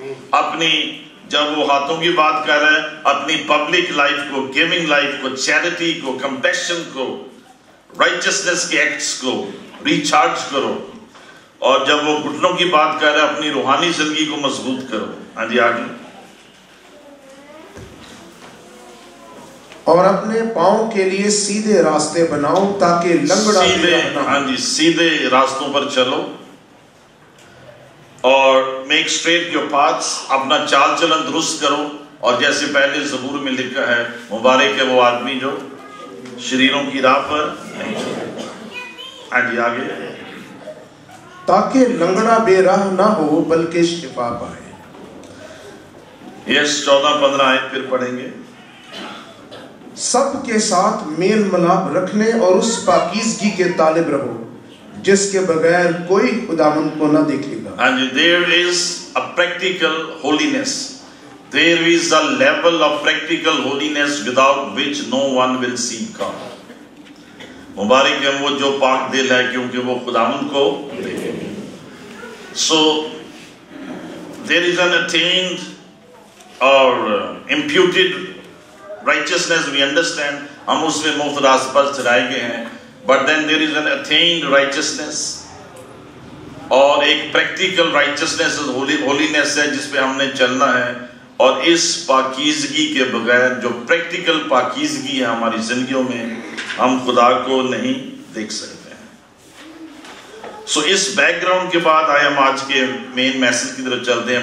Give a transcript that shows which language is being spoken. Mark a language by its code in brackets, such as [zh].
[ur] اپنی, جب وہ ہاتھوں کی بات کر رہا ہے, اپنی پبلک لائف کو, گیونگ لائف کو, چیریٹی کو, کمپیشن کو, رائچسنس کے ایکٹس کو ریچارج کرو. اور جب وہ گھٹنوں کی بات کر رہا ہے, اپنی روحانی زندگی کو مضبوط کرو. ہاں جی آگے. اور اپنے پاؤں کے لیے سیدھے راستے بناؤ تاکہ لنگڑا سیدھے, ہاں جی, سیدھے راستوں پر چلو. اور [en] make straight your paths, [ur] اپنا چال چلن درست کرو. اور جیسے پہلے زبور میں لکھا ہے, مبارک ہے وہ آدمی جو شریروں کی راہ پر نہیں چلے. آگے. تاکہ لنگڑا بے راہ نہ ہو بلکہ شفا پائے. یس, 14-15 آیت پھر پڑھیں گے. سب کے ساتھ میل ملاپ رکھنے اور اس پاکیزگی کے طالب رہو جس کے بغیر کوئی خداوند کو نہ دیکھے گا. [en] And there is a practical holiness. There is a level of practical holiness without which no one will see God. [ur] مبارک ہے وہ جو پاک دل ہے کیونکہ وہ خداوند کو دیکھے گا. [en] So there is an attained or imputed righteousness, we understand. [ur] ہم اس میں مفت راست پر چلائے گئے ہیں. [en] But then there is an attained righteousness. [ur] اور ایک practical righteousness, holiness ہے جس پہ ہم نے چلنا ہے. اور اس پاکیزگی کے بغیر, جو practical پاکیزگی ہے ہماری زندگیوں میں, ہم خدا کو نہیں دیکھ سکتے ہیں. سو اس بیک گراؤنڈ کے بعد آئے ہم آج کے مین میسج کی طرف چلتے ہیں.